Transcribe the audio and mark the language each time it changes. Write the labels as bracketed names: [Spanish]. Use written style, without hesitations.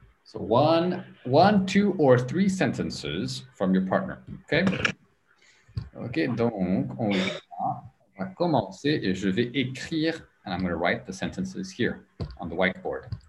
[English] So, one, two, or three sentences from your partner. Ok. Ok. [French] Donc, on va commencer et je vais écrire. [English] And I'm going to write the sentences here on the whiteboard.